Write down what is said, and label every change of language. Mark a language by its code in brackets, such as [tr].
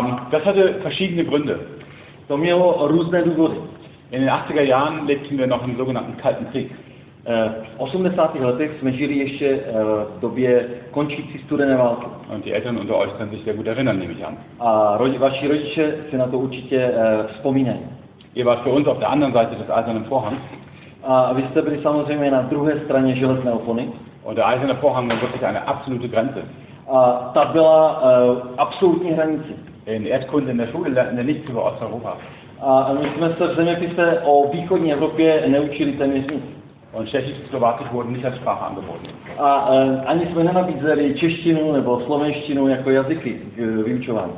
[de] Das hatte verschiedene Gründe. [cs] To mělo různé důvody. [de] In den 80er Jahren lebten wir noch im sogenannten Kalten Krieg. [cs] V 80. letech jsme žili ještě v době končící studené války. [de] Und die Eltern unter euch können sich sehr gut erinnern, nehme ich an. [cs] A vaši rodiče se na to určitě vzpomínají. [de] Ihr wart für uns auf der anderen Seite des Eisernen Vorhangs. [cs] A vy jste byli samozřejmě na druhé straně železné opony. [de] Und der Eiserne Vorhang war wirklich eine absolute Grenze. [cs] A ta byla absolutní hranice. [de] In Erdkunde in der Schule lernten wir nichts über Osteuropa. [cs] A my jsme se v zeměpise o východní Evropě neučili téměř nic. [de] Und Tschechisch, Slowakisch wurden nicht als Sprache angeboten. [cs] A ani jsme nenabízeli češtinu nebo slovenštinu jako jazyky k vyučování.